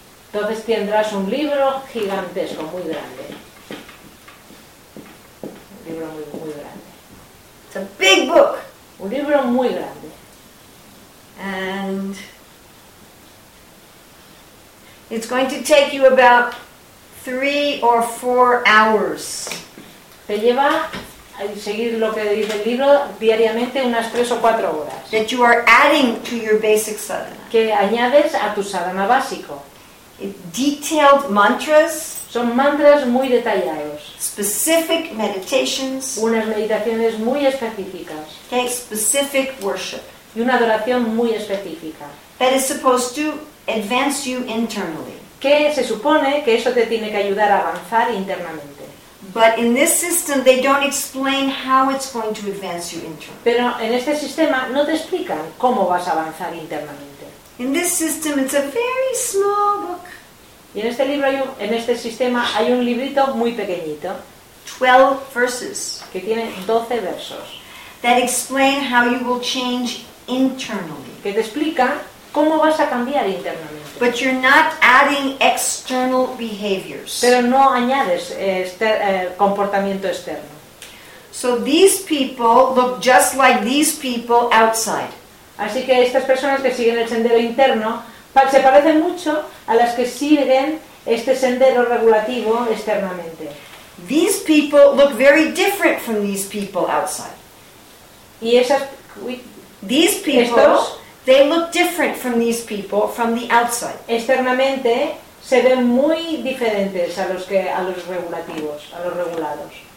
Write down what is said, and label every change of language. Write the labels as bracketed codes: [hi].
[es] Entonces tendrás un libro gigantesco, muy grande. Un libro muy grande. [en] It's a big book. [es] Un libro muy grande. [en] And it's going to take you about 3 or 4 hours. [es] Te lleva a seguir lo que dice el libro diariamente unas 3 o 4 horas. [en] That you are adding to your basic sadhana. [es] Que añades a tu sadhana básico. [en] Detailed mantras. [es] Son mantras muy detallados. [en] Specific meditations. [es] Unas meditaciones muy específicas. [en] Okay, specific worship. [es] Y una adoración muy específica. [en] That is supposed to advance you internally. [es] Que se supone que eso te tiene que ayudar a avanzar internamente. [en] But in this system they don't explain how it's going to advance you internally. [es] Pero en este sistema no te explican cómo vas a avanzar internamente. [en] In this system, it's a very small book. [es] Y en este libro hay un, en este sistema hay un librito muy pequeñito. [en] 12 verses. [es] Que tiene 12 versos. [en] That explain how you will change internally. [es] Que te explica cómo vas a cambiar internamente. [en] But you're not adding external behaviors. [es] Pero no añades comportamiento externo. [en] So these people look just like these people outside. [es] Así que estas personas que siguen el sendero interno se parecen mucho a las que siguen este sendero regulativo externamente. [en] These people look very different from these people outside. [es] Y esas, [en] these people, estos, they look different from these people from the outside. [es] Externamente se ven muy diferentes a los que a los regulativos, a los regulados.